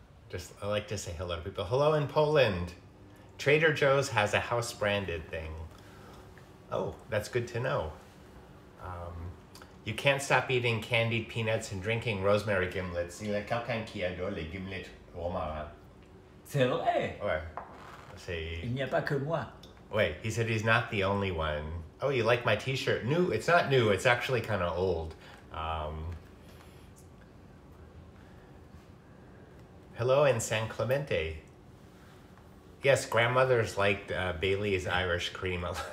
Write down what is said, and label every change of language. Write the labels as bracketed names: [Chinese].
[English] Just, I like to say hello to people. Hello in Poland. Trader Joe's has a house branded thing. Oh, that's good to know. You can't stop eating candied peanuts and drinking rosemary gimlets. [French] Il y a quelqu'un qui adore les gimlets romarin. C'est vrai. Ouais. C'est... Il n'y a pas que moi. [English] Wait, he said he's not the only one. Oh, you like my t-shirt? New, it's not new, it's actually kind of old. Hello in San Clemente. Yes, grandmothers liked Bailey's Irish cream.